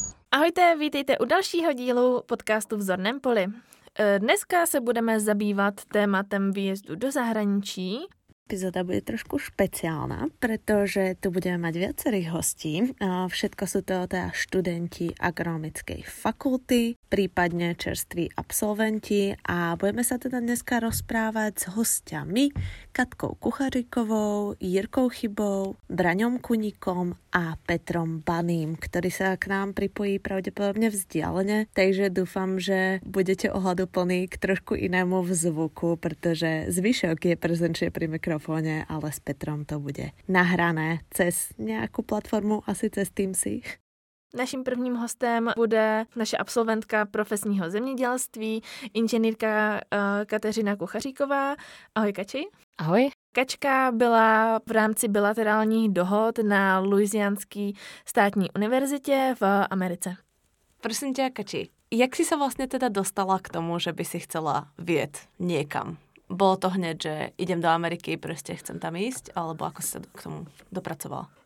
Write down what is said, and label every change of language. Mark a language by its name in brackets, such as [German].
[Czech] Ahojte, vítejte u dalšího dílu podcastu V zorném poli. Dneska se budeme zabývat tématem výjezdu do zahraničí. [Slovak] Epizoda bude trošku špeciálna, pretože tu budeme mať viacerých hostí. Všetko sú to teda študenti agronomickej fakulty, prípadne čerství absolventi a budeme sa teda dneska rozprávať s hostiami Katkou Kuchařikovou, Jirkou Chybou, Braňom Kuníkom a Petrom Baným, ktorý sa k nám pripojí pravdepodobne vzdialene, takže dúfam, že budete ohľaduplní k trošku inému zvuku, pretože zvyšok je prezenčne pri mikrofóne, ale s Petrom to bude nahrané cez nějakou platformu, asi cez Teamsy. [Czech] Naším prvním hostem bude naše absolventka profesního zemědělství, inženýrka Kateřina Kuchaříková. Ahoj, Kači. Ahoj. Kačka byla v rámci bilaterálních dohod na Louisianské státní univerzitě v Americe. Prosím tě, Kači, jak jsi se vlastně teda dostala k tomu, že [Slovak] by si chcela [Czech] vjet někam? [Slovak] Bolo to hneď, že idem do Ameriky, proste chcem tam ísť, alebo ako si sa k tomu dopracovala?